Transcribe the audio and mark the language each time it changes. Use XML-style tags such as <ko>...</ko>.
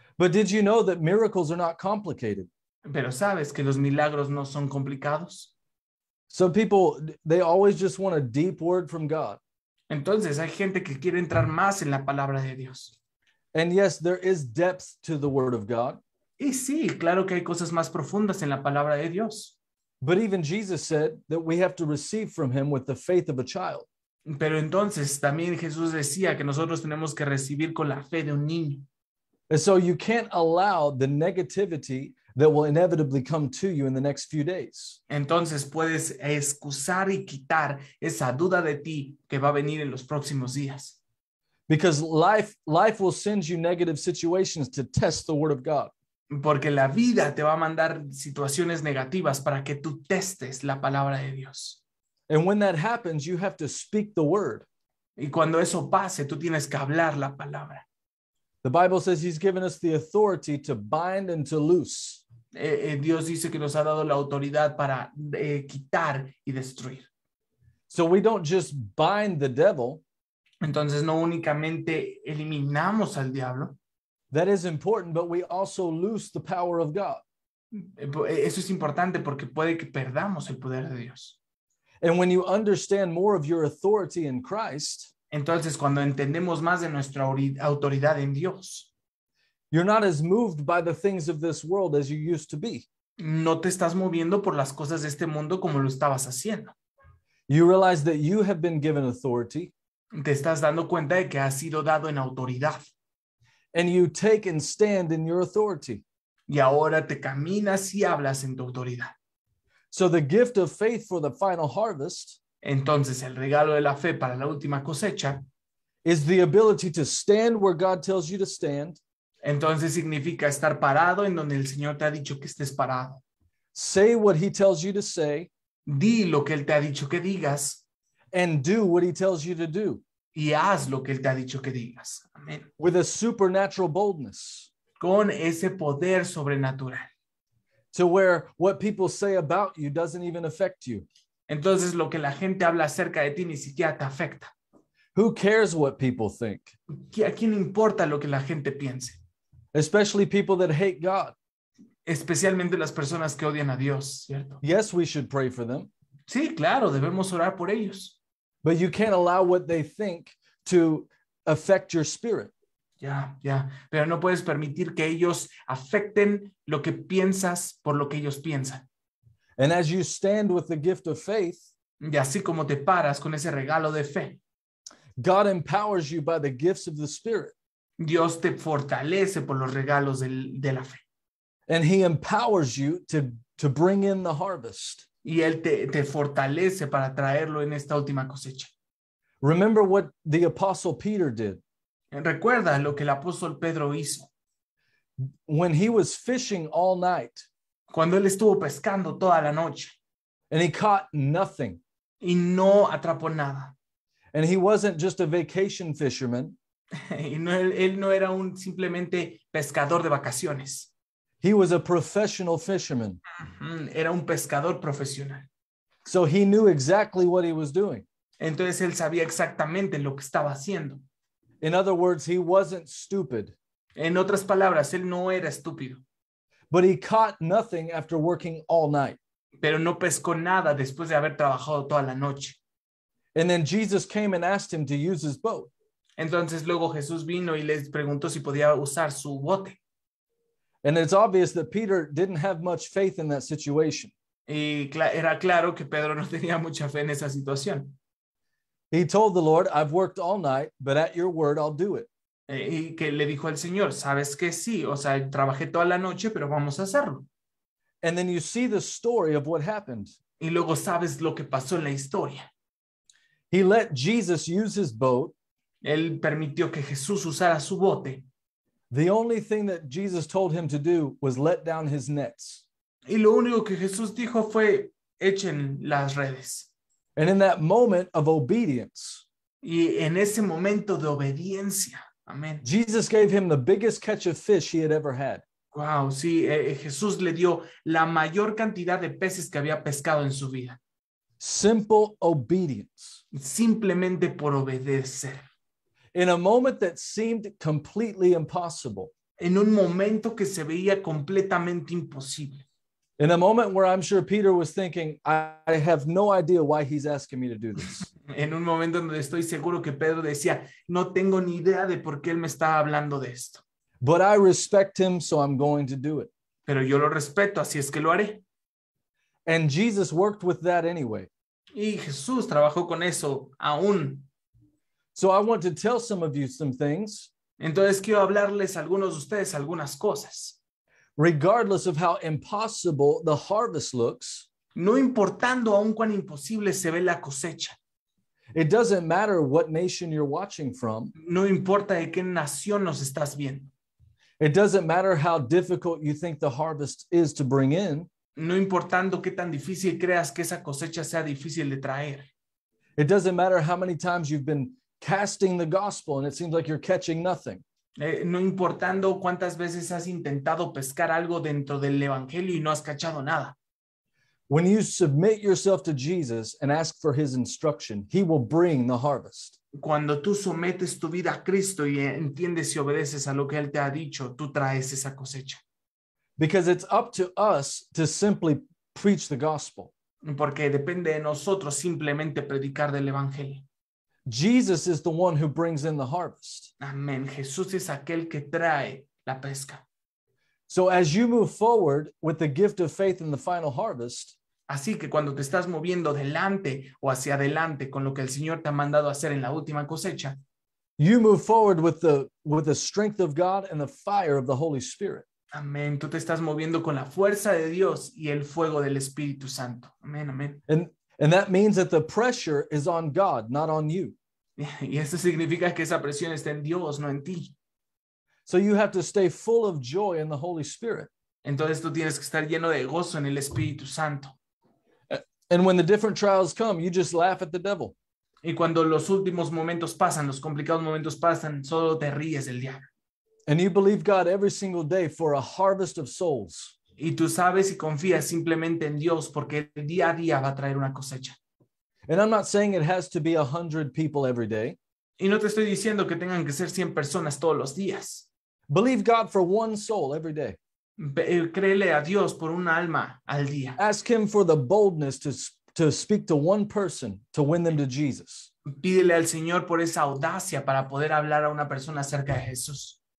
<en>But did you know that miracles are not complicated?</en> <es>Pero sabes que los milagros no son complicados.</es> <en>Some people, they always just want a deep word from God.</en> <es>Entonces, hay gente que quiere entrar más en la palabra de Dios.</es> <en>And yes, there is depth to the word of God.</en> <es>Y sí, claro que hay cosas más profundas en la palabra de Dios.</es> <en>But even Jesus said that we have to receive from him with the faith of a child.</en> <es>Pero entonces, también Jesús decía que nosotros tenemos que recibir con la fe de un niño.</es> <en>And so you can't allow the negativity that will inevitably come to you in the next few days.</en> <es>Entonces puedes excusar y quitar esa duda de ti que va a venir en los próximos días.</es> <en>Because life will send you negative situations to test the word of God.</en> <es>Porque la vida te va a mandar situaciones negativas para que tú testes la palabra de Dios.</es> <en>And when that happens, you have to speak the word.</en> <es>Y cuando eso pase, tú tienes que hablar la palabra.</es> <en>The Bible says he's given us the authority to bind and to loose.</en> <es>Dios dice que nos ha dado la autoridad para quitar y destruir.</es> <en>So we don't just bind the devil.</en> <es>Entonces no únicamente eliminamos al diablo.</es> <en>That is important, but we also lose the power of God.</en> <es>Eso es importante porque puede que perdamos el poder de Dios.</es> <en>And when you understand more of your authority in Christ,</en> <es>entonces, cuando entendemos más de nuestra autoridad en Dios,</es> <en>you're not as moved by the things of this world as you used to be.</en> <es>No te estás moviendo por las cosas de este mundo como lo estabas haciendo.</es> <en>You realize that you have been given authority.</en> <es>Te estás dando cuenta de que has sido dado en autoridad.</es> <en>And you take and stand in your authority.</en> <es>Y ahora te caminas y hablas en tu autoridad.</es> <en>So the gift of faith for the final harvest,</en> <es>entonces, el regalo de la fe para la última cosecha</es> <en>is the ability to stand where God tells you to stand.</en> <es>Entonces, significa estar parado en donde el Señor te ha dicho que estés parado.</es> <en>Say what he tells you to say.</en> <es>Di lo que él te ha dicho que digas.</es> <en>And do what he tells you to do.</en> <es>Y haz lo que él te ha dicho que digas. Amén.</es> <en>With a supernatural boldness.</en> <es>Con ese poder sobrenatural.</es> <en>To where what people say about you doesn't even affect you.</en> <es>Entonces, lo que la gente habla acerca de ti ni siquiera te afecta.</es> <en>Who cares what people think?</en> <es>¿A quién importa lo que la gente piense?</es> <en>Especially people that hate God.</en> <es>Especialmente las personas que odian a Dios, ¿cierto?</es> <en>Yes, we should pray for them.</en> <es>Sí, claro, debemos orar por ellos.</es> <en>But you can't allow what they think to affect your spirit. Yeah.</en> <es>Pero no puedes permitir que ellos afecten lo que piensas por lo que ellos piensan.</es> <en>And as you stand with the gift of faith,</en> <es>y así como te paras con ese regalo de fe,</es> <en>God empowers you by the gifts of the Spirit.</en> <es>Dios te fortalece por los regalos de la fe.</es> <en>And he empowers you to bring in the harvest.</en> <es>Y él te fortalece para traerlo en esta última cosecha.</es> <en>Remember what the Apostle Peter did.</en> <es>Recuerda lo que el Apóstol Pedro hizo.</es> <en>When he was fishing all night.</en> <es>Cuando él estuvo pescando toda la noche.</es> <en>And he caught nothing.</en> <es>Y no atrapó nada.</es> <en>And he wasn't just a vacation fisherman.</en> <es>Y no, él no era un simplemente pescador de vacaciones.</es> <en>He was a professional fisherman.</en> <es>Era un pescador profesional.</es> <en>So he knew exactly what he was doing.</en> <es>Entonces él sabía exactamente lo que estaba haciendo.</es> <en>In other words, he wasn't stupid.</en> <es>En otras palabras, él no era estúpido.</es> <en>But he caught nothing after working all night.</en> <es>Pero no pescó nada después de haber trabajado toda la noche.</es> <en>And then Jesus came and asked him to use his boat.</en> <es>Entonces luego Jesús vino y les preguntó si podía usar su bote.</es> <en>And it's obvious that Peter didn't have much faith in that situation.</en> <es>Y era claro que Pedro no tenía mucha fe en esa situación.</es> <en>He told the Lord, I've worked all night, but at your word I'll do it.</en> <es>Y que le dijo al Señor, sabes que sí, o sea, trabajé toda la noche, pero vamos a hacerlo.</es> <en>And then you see the story of what happened.</en> <es>Y luego sabes lo que pasó en la historia.</es> <en>He let Jesus use his boat.</en> <es>Él permitió que Jesús usara su bote.</es> <en>The only thing that Jesus told him to do was let down his nets.</en> <es>Y lo único que Jesús dijo fue, echen las redes.</es> <en>And in that moment of obedience.</en> <es>Y en ese momento de obediencia. Amen.</es> <en>Jesus gave him the biggest catch of fish he had ever had.</en> <es>Wow, sí, Jesús le dio la mayor cantidad de peces que había pescado en su vida.</es> <en>Simple obedience.</en> <es>Simplemente por obedecer.</es> <en>In a moment that seemed completely impossible.</en> <es>En un momento que se veía completamente imposible.</es> <en>In a moment where I'm sure Peter was thinking, I have no idea why he's asking me to do this.</en> <es>En un momento donde estoy seguro que Pedro decía, no tengo ni idea de por qué él me estaba hablando de esto.</es> <en>But I respect him, so I'm going to do it.</en> <es>Pero yo lo respeto, así es que lo haré.</es> <en>And Jesus worked with that anyway.</en> <es>Y Jesús trabajó con eso aún.</es> <en>So I want to tell some of you some things.</en> <es>Entonces quiero hablarles a algunos de ustedes algunas cosas.</es> <en>Regardless of how impossible the harvest looks,</en> <es>no importando aún cuán imposible se ve la cosecha,</es> <en>it doesn't matter what nation you're watching from,</en> <es>no importa de qué nación nos estás viendo,</es> <en>it doesn't matter how difficult you think the harvest is to bring in,</en> <es>no importando qué tan difícil creas que esa cosecha sea difícil de traer,</es> <en>it doesn't matter how many times you've been casting the gospel and it seems like you're catching nothing.</en> <es>No importando cuántas veces has intentado pescar algo dentro del evangelio y no has cachado nada.</es> <en>When you submit yourself to Jesus and ask for his instruction, he will bring the harvest.</en> <es>Cuando tú sometes tu vida a Cristo y entiendes y obedeces a lo que él te ha dicho, tú traes esa cosecha.</es> <en>Because it's up to us to simply preach the gospel.</en> <es>Porque depende de nosotros simplemente predicar del evangelio.</es> <en>Jesus is the one who brings in the harvest.</en> <es>Amen. Jesús es aquel que trae la pesca.</es> <en>So as you move forward with the gift of faith in the final harvest,</en> <es>así que cuando te estás moviendo delante o hacia adelante con lo que el Señor te ha mandado hacer en la última cosecha,</es> <en>you move forward with the strength of God and the fire of the Holy Spirit.</en> <es>Amén. Tú te estás moviendo con la fuerza de Dios y el fuego del Espíritu Santo. Amén, amén.</es> <en>And that means that the pressure is on God, not on you.</en> <es>Y eso significa que esa presión está en Dios, no en ti.</es> <en>So you have to stay full of joy in the Holy Spirit.</en> <es>Entonces tú tienes que estar lleno de gozo en el Espíritu Santo.</es> <en>And when the different trials come, you just laugh at the devil.</en> <es>Y cuando los últimos momentos pasan, los complicados momentos pasan, solo te ríes del diablo.</es> <en>And you believe God every single day for a harvest of souls.</en> <es>Y tú sabes y confías simplemente en Dios porque el día a día va a traer una cosecha.</es> <en>And I'm not saying it has to be 100 people every day.</en> <es>Y no te estoy diciendo que tengan que ser 100 personas todos los días.</es> <en>Believe God for one soul every day.</en> <es>Créele a Dios por un alma al día.</es> <en>Ask him for the boldness to speak to one person to win them to Jesus.</en> <es>Pídele al Señor por esa audacia para poder hablar a una persona acerca de Jesús.</es>